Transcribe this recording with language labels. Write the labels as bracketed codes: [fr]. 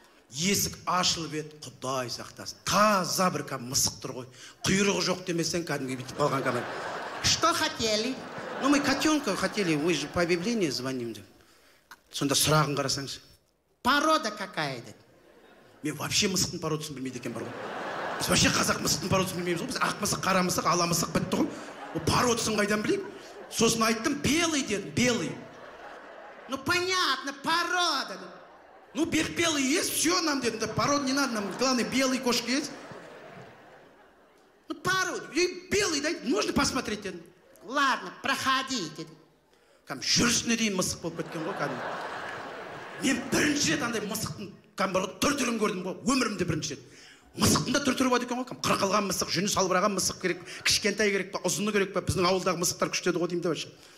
[kk] Есік ашылып еді, құдай сақтасын. Таза бір кәдімгі мысық тұр ғой. Құйрығы жоқ демесең кәдімгі бүйтіп қалған кәдімгі. [ru] Что хотели? Ну мы котёнка хотели, вы же по объявлению звоним деп. [kk] Сонда сұрағын қарасаңшы. [ru] Порода какая деп. [kk] Мен вообще мысықтың породасын білмейді екен бар ғой. Біз вообще қазақ мысықтың породасын білмейміз ғой. Біз ақ мысық, қара мысық, ала мысық бітті ғой. Ол породасын қайдан білейік? Сосын айттым, белый дедім, белый. [ru] Ну понятно, порода деп. Ну бег белый есть, все нам деді. Пород не надо нам, главное белые кошки есть. Ну пород, белый дай, можно посмотреть деді. Ладно, проходите. [kk] Кәдімгі жүрісіне дейін мысық болып кеткен ғой кәдімгі. Мен бірінші рет андай мысықтың кәдімгі түр түрін көрдім ғой, өмірімде бірінші рет. Мысықтың да түр түрі бар екен ғой, кәдімгі қырқылған мысық, жүні салбыраған мысық керек, кішкентай керек па, ұзыны керек па, біздің ауылдағы мысықтар күшті еді ғой деймін де вообще.